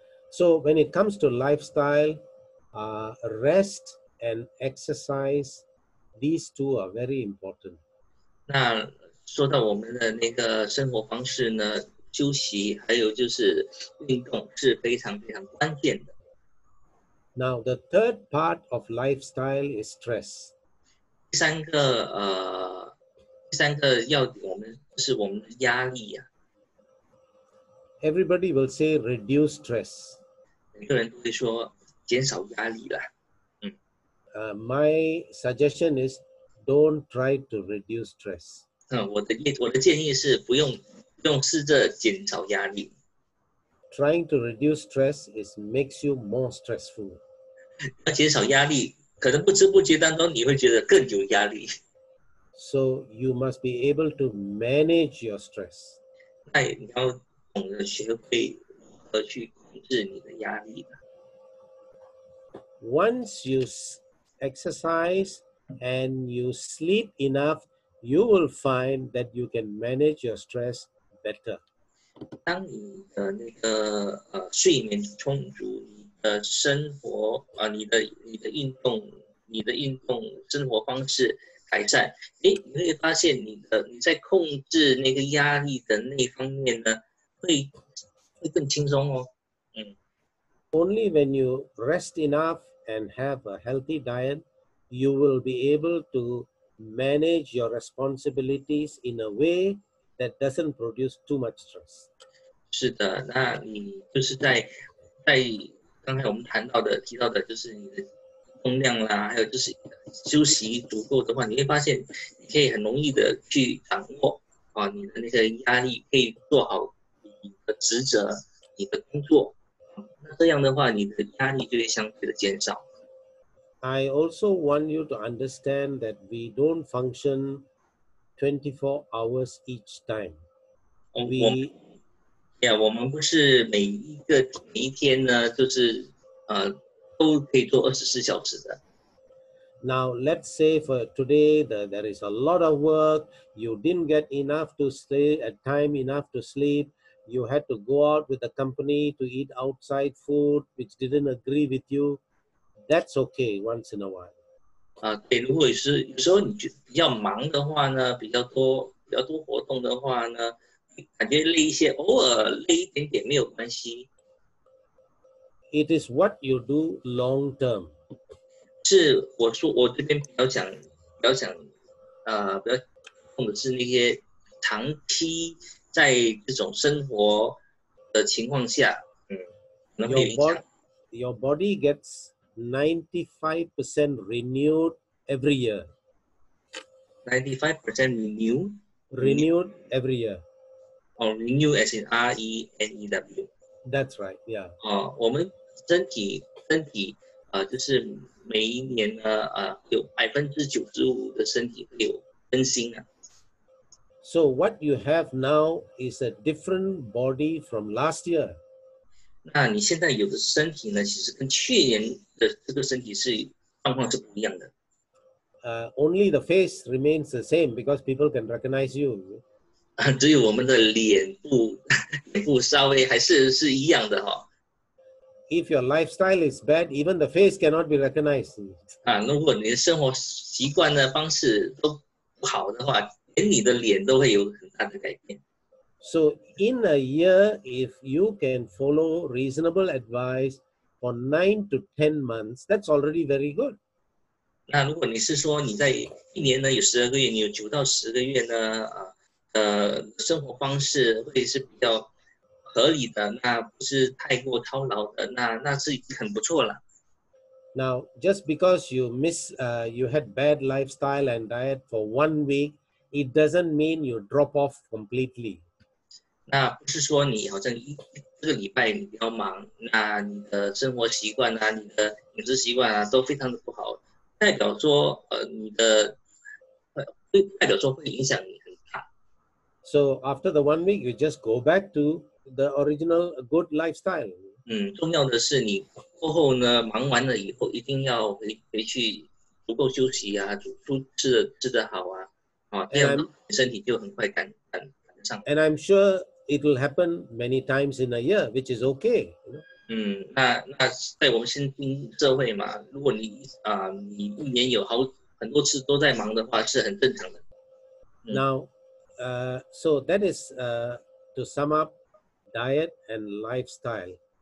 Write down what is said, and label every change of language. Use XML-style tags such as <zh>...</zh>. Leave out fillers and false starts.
<en>So when it comes to lifestyle, rest and exercise, these two are very important.</en> <zh>那说到我们的那个生活方式呢，休息还有就是运动是非常非常关键的。</zh> <en>Now the third part of lifestyle is stress.</en> <zh>第三个要我们就是我们的压力啊。</zh> <en>Everybody will say reduce stress.</en> <zh>每个人都会说减少压力啦。</zh> <en>My suggestion is don't try to reduce stress.</en> <zh>我的建议是不用试着减少压力。</zh> <en>Trying to reduce stress is makes you more stressful.</en> <zh>要减少压力，可能不知不觉当中你会觉得更有压力。</zh> <en>So you must be able to manage your stress.</en> <zh>那你要懂得学会如何去控制你的压力。</zh> <en>Once you exercise and you sleep enough, you will find that you can manage your stress better.</en> <zh>当你的那个睡眠充足，你的生活啊，你的运动生活方式。改善，你会发现你在控制那个压力的那方面呢，会更轻松哦。</zh> <en>Only when you rest enough and have a healthy diet, you will be able to manage your responsibilities in a way that doesn't produce too much stress.</en> <zh>是的，那你就是在刚才我们提到的就是你的。重量啦，还有就是休息足够的话，你会发现你可以很容易的去掌握啊，你的那个压力，可以做好你的职责、你的工作。那这样的话，你的压力就会相对的减少。</zh> <en>I also want you to understand that we don't function 24 hours each time.</en> <zh>We们不是每一天呢，就是都可以做24小时的。</zh> <en>Now, let's say for today that there is a lot of work, you didn't get enough to stay at time enough to sleep, you had to go out with the company to eat outside food which didn't agree with you, that's okay once in a while.</en> <zh>对，如果是有时候你比较忙的话呢，比较多活动的话呢，感觉累一些，偶尔累一点点没有关系。</zh> <en>It is what you do long term.</en> <zh>是我说我这边比较想，比较重的是那些长期在这种生活的情况下，</zh> <en>Your body gets 95% renewed every year. 95% renewed. Renewed every year. Oh, renew as in R-E-N-E-W. That's right. Yeah.</en> <zh>我们身体，就是每一年呢，有95%的身体会有更新啊。</zh> <en>So what you have now is a different body from last year.</en> <zh>那你现在有的身体呢，其实跟去年的这个身体是状况是不一样的。</zh> <en>Only the face remains the same because people can recognize you.</en> <zh>只有我们的脸部稍微还是一样的哈。</zh> <en>If your lifestyle is bad, even the face cannot be recognized.</en> <zh>如果你的生活习惯的方式都不好的话，连你的脸都会有很大的改变。</zh> <en>So in a year, if you can follow reasonable advice for 9 to 10 months, that's already very good.</en> <zh>那如果你是说你在一年呢，有12个月，你有9到10个月呢，生活方式会是比较合理的，那不是太过操劳的，那是已经很不错了。</zh> <en>Now, just because you miss, you had bad lifestyle and diet for 1 week, it doesn't mean you drop off completely.</en> <zh>那不是说你好像这个礼拜你比较忙，那你的生活习惯啊，你的饮食习惯啊，都非常的不好，代表说你的代表说会影响你。</zh> <en>So after the 1 week, you just go back to the original good lifestyle.</en> <zh>重要的是你过后呢，忙完了以后一定要回去足够休息啊，吃得好啊，这样身体就很快赶上。 And I'm sure it will happen many times in a year, which is okay. 那在我们新兴社会嘛，如果你一年有好很多次都在忙的话，是很正常的。</zh> <en>Now. So that is to sum up diet and lifestyle.</en>